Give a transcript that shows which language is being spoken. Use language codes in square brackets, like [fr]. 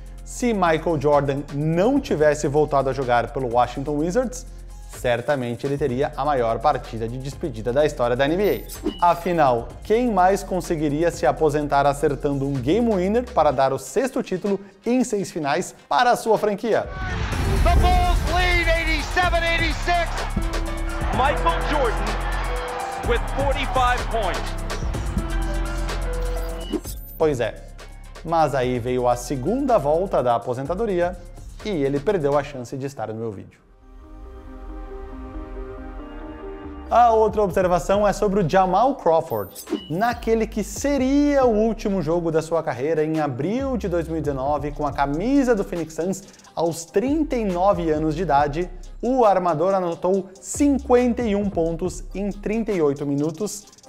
[pt] Se Michael Jordan não tivesse voltado a jogar pelo Washington Wizards, certamente ele teria a maior partida de despedida da história da NBA. Afinal, quem mais conseguiria se aposentar acertando um game winner para dar o 6º título em 6 finais para a sua franquia? [en] The Bulls lead 87-86. Michael Jordan with 45 points. [pt] Pois é. Mas aí veio a segunda volta da aposentadoria e ele perdeu a chance de estar no meu vídeo. A outra observação é sobre o Jamal Crawford. Naquele que seria o último jogo da sua carreira, em abril de 2019, com a camisa do Phoenix Suns, aos 39 anos de idade, o armador anotou 51 pontos em 38 minutos.